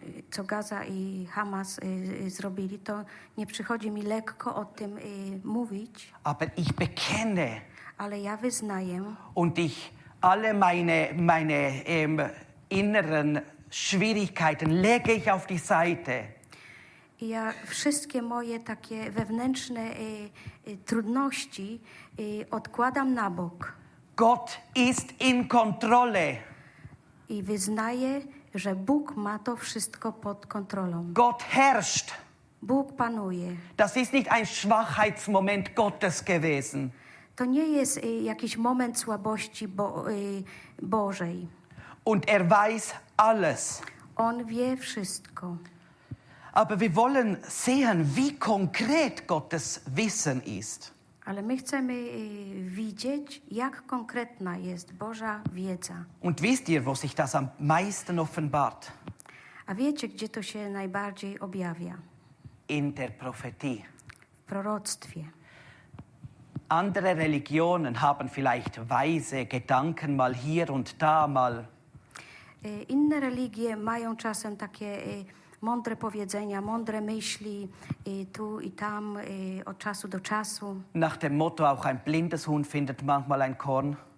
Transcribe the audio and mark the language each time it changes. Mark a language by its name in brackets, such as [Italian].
[Polish] co Gaza i Hamas zrobili, to nie przychodzi mi lekko o tym mówić. [German] Aber ich bekenne. [Polish] Ale ja wyznaję. [German] Und ich alle meine inneren Schwierigkeiten lege ich auf die Seite. [Polish] Ja wszystkie moje takie wewnętrzne trudności odkładam na bok. [German] Gott ist in Kontrolle. [Polish] I wyznaję, że Bóg ma to wszystko pod kontrolą. [German] Gott herrscht. [Polish] Bóg panuje. [German] Das ist nicht ein Schwachheitsmoment Gottes gewesen. [Polish] To nie jest jakiś moment słabości Bożej. [German] Und weiß alles. [Polish] On wie wszystko. [German] Aber wir wollen sehen, wie konkret Gottes Wissen ist. [Polish] Ale my chcemy widzieć, jak konkretna jest Boża wiedza. [German] Und wisst ihr, wo sich das am meisten offenbart? [Polish] A wiecie, gdzie to się najbardziej objawia? [German] In der Prophetie. [Polish] W proroctwie. [German] Andere Religionen haben vielleicht weise Gedanken mal hier und da mal. [Polish] Inne religie mają czasem takie mądre powiedzenia, mądre myśli tu i tam od czasu do czasu. [German] Nach dem Motto auch ein blindes Huhn findet manchmal ein Korn.